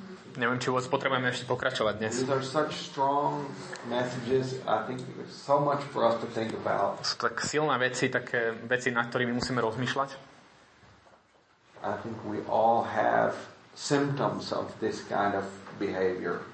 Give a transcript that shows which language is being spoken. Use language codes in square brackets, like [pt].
[sk] Neviem, či vôbec potrebujeme ešte pokračovať dnes. [en] These are such strong messages, I think there's so much for us to think about. [sk] Sú tak silné veci, také veci, na ktorými musíme rozmýšľať. [en] I think we all have symptoms of this kind of behavior.